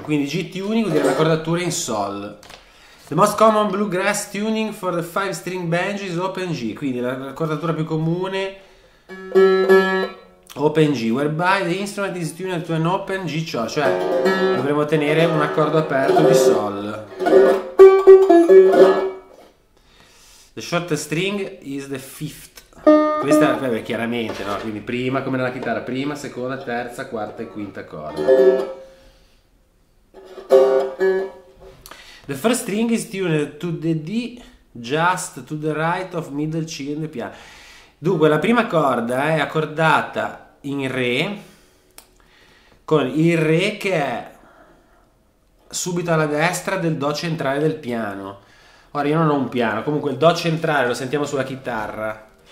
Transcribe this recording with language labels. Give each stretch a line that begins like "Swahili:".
Italian: Quindi G-tuning vuol dire la cordatura in sol.
English: The most common bluegrass tuning for the five string banjo is open G.
Italian: Quindi la cordatura più comune open G.
English: Whereby the instrument is tuned to an open G chord.
Italian: Cioè dovremo tenere un accordo aperto di sol.
English: The shortest string is the fifth.
Italian: Questa è chiaramente, no? Quindi prima, come nella chitarra, prima, seconda, terza, quarta e quinta corda.
English: The first string is tuned to the D, just to the right of middle C and the piano.
Italian: Dunque, la prima corda è accordata in re, con il re che è subito alla destra del do centrale del piano. Ora io non ho un piano, comunque il do centrale lo sentiamo sulla chitarra.